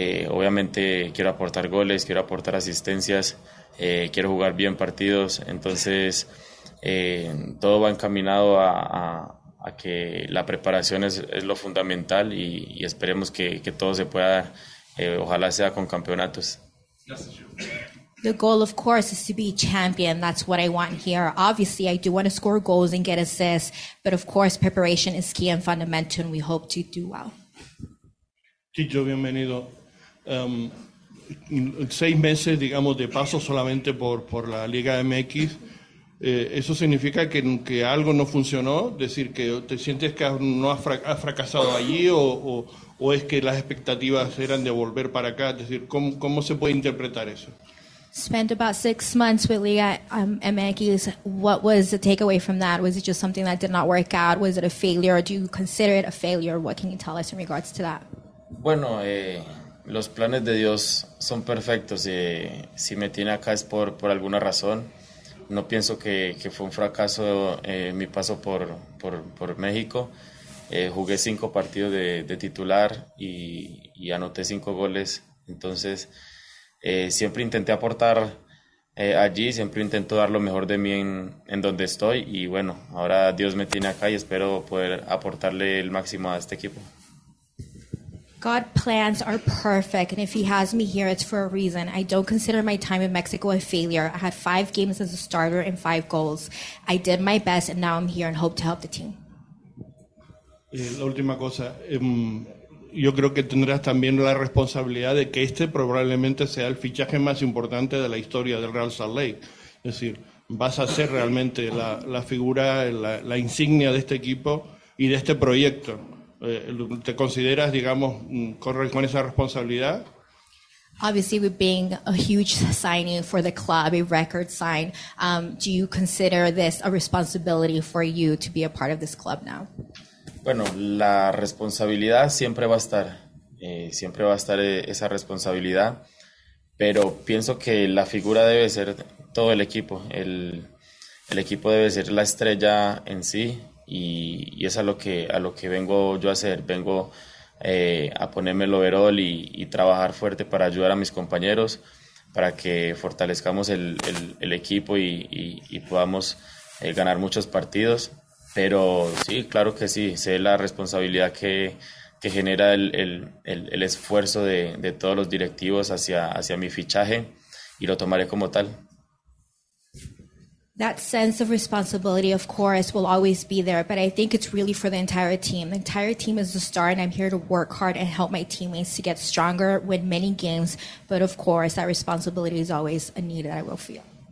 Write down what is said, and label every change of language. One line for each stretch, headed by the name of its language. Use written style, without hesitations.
Spanish: Obviamente quiero aportar goles, quiero aportar asistencias, quiero jugar bien partidos. Entonces, todo va encaminado a que la preparación es lo fundamental y esperemos que todo se pueda dar. Ojalá sea con campeonatos.
English: The goal, of course, is to be champion. That's what I want here. Obviously, I do want to score goals and get assists, but of course, preparation is key and fundamental, and we hope to do well.
Spanish: Chicho, bienvenido. Seis meses, digamos, de paso solamente por la Liga MX. Eso significa que algo no funcionó. Decir que te sientes que has fracasado allí o es que las expectativas eran de volver para acá, es decir, ¿cómo se puede interpretar eso?
English: Spent about 6 months with Liga MX. What was the takeaway from that? Was it just something that did not work out? Was it a failure? Do you consider it a failure? What can you tell us in regards to that?
Spanish: Bueno, los planes de Dios son perfectos. Si me tiene acá es por alguna razón. No pienso que fue un fracaso mi paso por México. Jugué 5 partidos de titular y anoté 5 goles. Entonces, siempre intenté aportar allí, siempre intento dar lo mejor de mí en donde estoy. Y bueno, ahora Dios me tiene acá y espero poder aportarle el máximo a este equipo.
English: God's plans are perfect, and if he has me here, it's for a reason. I don't consider my time in Mexico a failure. I had 5 games as a starter and 5 goals. I did my best, and now I'm here and hope to help the team.
Spanish: La última cosa, yo creo que tendrás también la responsabilidad de que este probablemente sea el fichaje más importante de la historia del Real Salt Lake. Es decir, vas a ser realmente la figura, la insignia de este equipo y de este proyecto. ¿Te consideras, digamos, con esa responsabilidad?
English: Obviously, with being a huge signing for the club, a record sign, do you consider this a responsibility for you to be a part of this club now?
Spanish: Bueno, la responsabilidad siempre va a estar. Siempre va a estar esa responsabilidad. Pero pienso que la figura debe ser todo el equipo. El equipo debe ser la estrella en sí. Y es a lo que vengo yo a hacer. Vengo a ponerme el overall y trabajar fuerte para ayudar a mis compañeros, para que fortalezcamos el equipo y podamos ganar muchos partidos. Pero sí, claro que sí, sé la responsabilidad que genera el esfuerzo de todos los directivos hacia mi fichaje, y lo tomaré como tal.
English: That sense of responsibility, of course, will always be there, but I think it's really for the entire team. The entire team is the star, and I'm here to work hard and help my teammates to get stronger, win many games, but of course, that responsibility is always a need that I will feel.